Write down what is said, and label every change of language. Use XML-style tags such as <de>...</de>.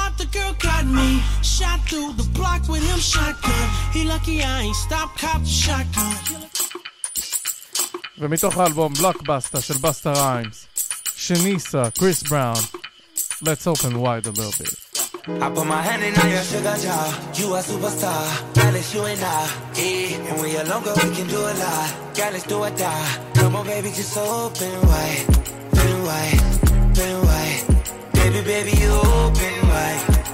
<en>Girl got me shot through the block with him shotgun. He lucky I ain't stop cop shotgun.</en> <he>ומתוך האלבום בלוקבאסטר של בסטה ריימס, שניסה, קריס בראון,</he> <en>let's open wide a little bit. I put my hand in your sugar jaw. You a superstar, girl, it's you and I, yeah. And when you're longer, we can do a lot. Girl, let's do or die. Come on, baby, just open wide. Open wide, open wide. Baby, baby, open wide.</en>